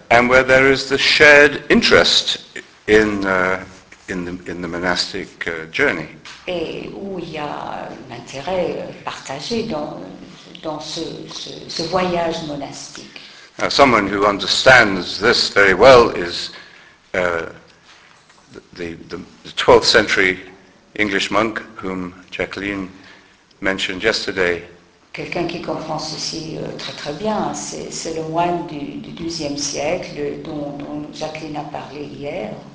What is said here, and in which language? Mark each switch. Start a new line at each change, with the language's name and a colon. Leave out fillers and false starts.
English: and where there is the shared interest in the monastic journey.
French: Et où il y a un intérêt partagé dans ce voyage monastique.
English: Now, someone who understands this very well is the 12th century English monk whom Jacqueline mentioned yesterday.
French: Quelqu'un qui comprend ceci très très bien, c'est le moine du 12e siècle dont Jacqueline a parlé hier.